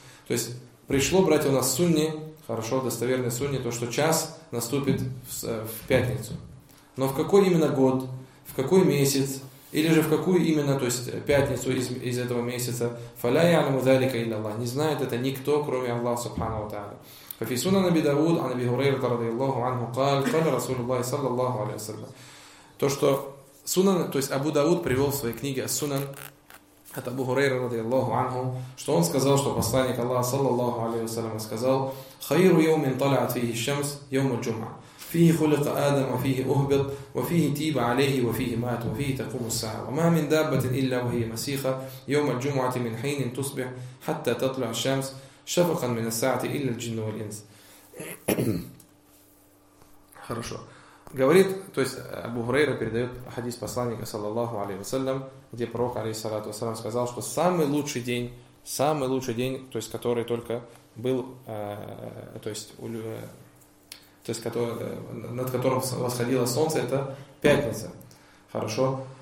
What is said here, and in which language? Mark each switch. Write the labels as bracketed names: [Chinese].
[Russian] То есть пришло, братья, у нас сунни, хорошо, достоверный сунни, то, что час наступит в пятницу. Но в какой именно год, в какой месяц, или же в какую именно, то есть пятницу из этого месяца, [Arabic] фа ля яълму дзалика илля Аллах, [Russian] не знает это никто, кроме Аллаха Субхану ва Тааля. [Arabic] ففي سنن أبي داود عن أبي هريرة رضي الله عنه قال قال رسول الله صلى الله عليه وسلم [Russian] то что [Arabic] سنن [Russian] то есть [Arabic] أبو داود [Russian] привел в своей книге [Arabic] السنن [Russian] от [Arabic] أبو هريرة رضي الله عنه [Russian] что он сказал что посланник [Arabic] الله صلى الله عليه وسلم [Russian] сказал [Arabic] خير يوم طلعت فيه الشمس يوم الجمعة فيه خلق آدم وفيه أهبط وفيه تيب عليه وفيه مات وفيه تقوم الساعة وما من دابة إلا وهي مسيخة يوم الجمعة من حين تصبح حتى تطلع الشمس شفقا من الساعة إلا الجن والإنس. [Russian] Хорошо. Говорит, то есть Абу Хурейра передает хадис посланника саллаллаху алейхи ва саллям, где пророк алейхиссалату ва саллям сказал, что самый лучший день, то есть который только был, то есть который, над которым восходило солнце, это пятница. Хорошо.